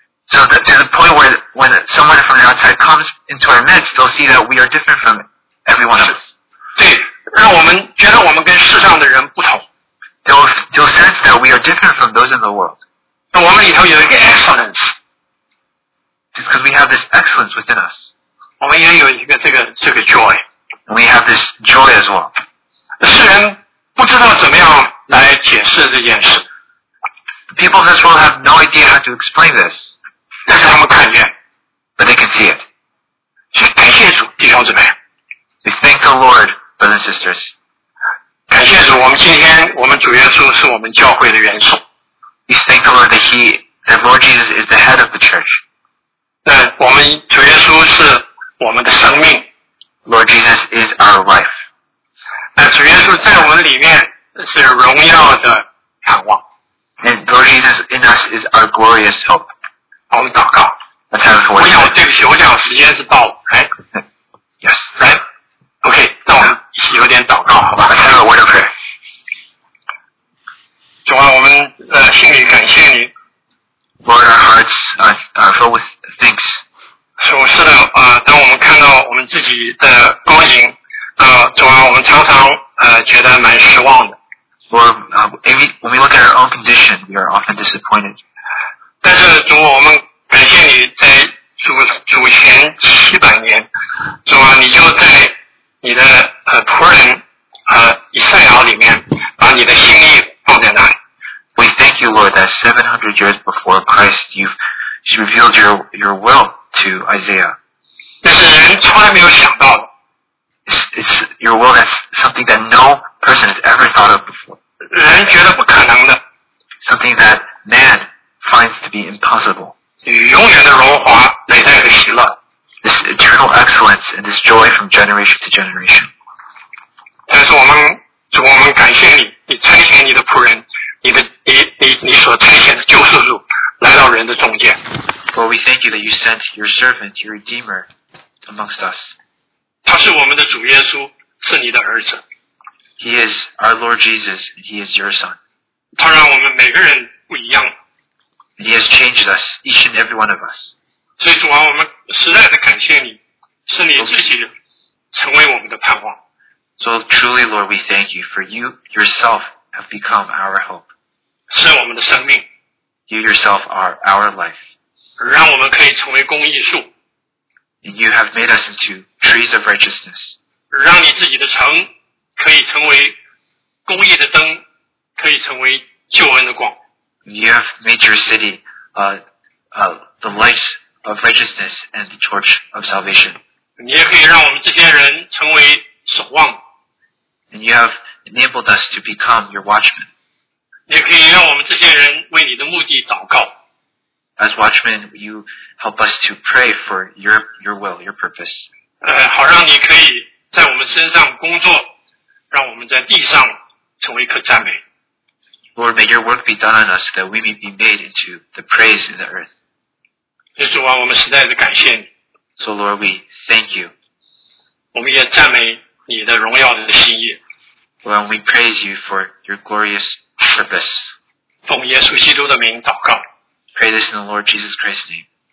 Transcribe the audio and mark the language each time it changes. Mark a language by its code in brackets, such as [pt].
[en] So to the point where when someone from the outside comes into our midst, they'll see that we are different from every one of us. [zh] 对，让我们觉得我们跟世上的人不同。 [en] They'll sense that we are different from those in the world. [zh] 那我们里头有一个 excellence. [en] Just because we have this excellence within us. [zh] 我们也有一个这个 joy. [en] And we have this joy as well. [zh] 世人不知道怎么样来解释这件事。 [en] People in this world have no idea how to explain this. [zh] 但是他们看见 [en] But they can see it. [zh] 所以感谢主弟兄姊妹 [en] We thank the Lord, brothers and sisters. [zh] 感谢主我们今天我们主耶稣是我们教会的元首 [en] We thank the Lord that the Lord Jesus is the head of the church. [zh] 那我们主耶稣是我们的生命 [en] Lord Jesus is our life. [zh] 那主耶稣在我们里面是荣耀的仰望 [en] And Lord Jesus in us is our glorious hope. [zh] 好我们祷告 [en] Let's have [zh] a 我想时间是到了、哎、 [en] Yes [zh] OK 让我们一起有点祷告好吧 [en] Let's have a word of prayer [zh] 主啊我们心里感谢你 [en] Lord our hearts are filled with thanks [zh] 是的当我们看到我们自己的光景主啊我们常常觉得蛮失望的 [en] Lord, when we look at our own condition we are often disappointed [zh] 但是主我们感谢你在 主前700年主啊你就在你的仆人以赛亚里面把你的心意放在那里 [en] We thank you Lord that 700 years before Christ you've revealed your will to Isaiah [zh] 但是人从来没有想到 [en] It's your will that's something that no person has ever thought of before [zh] 人觉得不可能的 [en] Something that manfinds to be impossible. [zh] 永远的荣华，美代的喜乐。 [en] This eternal excellence and this joy from generation generation to generation. [zh] 但是我们感谢你，你差遣你的仆人，你所差遣的救世主来到人的中间。 [en] But we thank you that you sent your servant, your redeemer, amongst us. [zh] 他是我们的主耶稣，是你的儿子。 [en] He is our Lord Jesus, and he is your son. [zh] 他让我们每个人不一样。 [en] And he has changed us, each and every one of us. [zh] 所以主啊，我们实在的感谢你，是你自己成为我们的盼望。 [en] So truly, Lord, we thank you, for you yourself have become our hope. [zh] 是我们的生命。 [en] You yourself are our life. [zh] 让我们可以成为公义树。 [en] And you have made us into trees of righteousness. [zh] 让你自己的城可以成为公义的灯，可以成为救恩的光。 [en] You have made your city the light of righteousness and the torch of salvation. [zh] 你也可以让我们这些人成为守望。 [en] And you have enabled us to become your watchmen. [zh] 你也可以让我们这些人为你的目的祷告。 [en] As watchmen, you help us to pray for your will, your purpose. [zh] 好让你可以在我们身上工作，让我们在地上成为可赞美。 [en] Lord, may your work be done on us that we may be made into the praise of the earth. [zh] 耶稣啊，我们实在的感谢你。 [en] So Lord, we thank you. [zh] 我们也赞美你的荣耀的心意。 [en] Lord, we praise you for your glorious purpose. [zh] 奉耶稣基督的名祷告。 [en] Pray this in the Lord Jesus Christ's name.